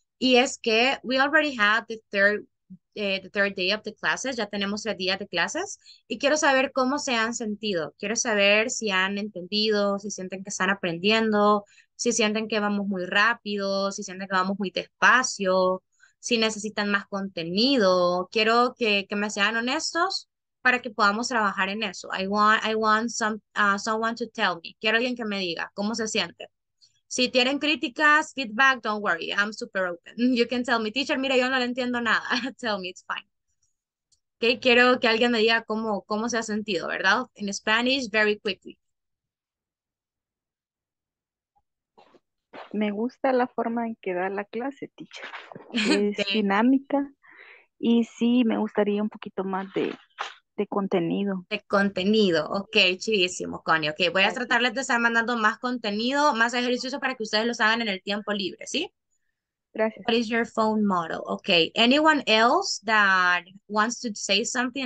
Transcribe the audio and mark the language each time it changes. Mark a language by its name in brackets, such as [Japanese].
[Spanish] Y es que [English] we already have the third day of the classes. [Spanish] Ya tenemos 3 días de clases y quiero saber cómo se han sentido. Quiero saber si han entendido, si sienten que están aprendiendo, si sienten que vamos muy rápido, si sienten que vamos muy despacio, si necesitan más contenido. Quiero que me sean honestos para que podamos trabajar en eso. [English] I want someone to tell me. [Spanish] Quiero alguien que me diga cómo se siente. Si tienen críticas, feedback, [English] don't worry. I'm super open. You can tell me, teacher, [Spanish] mira, yo no le entiendo nada. [English] Tell me, it's fine. [Spanish] Okay, quiero que alguien me diga cómo se ha sentido, ¿verdad? [English] In Spanish, very quickly. [Spanish] Me gusta la forma en que da la clase, teacher. Es dinámica. Y sí, me gustaría un poquito más de contenido. De contenido. Ok, chidísimo, Connie. Ok, voy a tratarles de estar mandando más contenido, más ejercicios para que ustedes los hagan en el tiempo libre, ¿sí? Gracias. [English] What is your phone model? Ok, anyone else that wants to say something?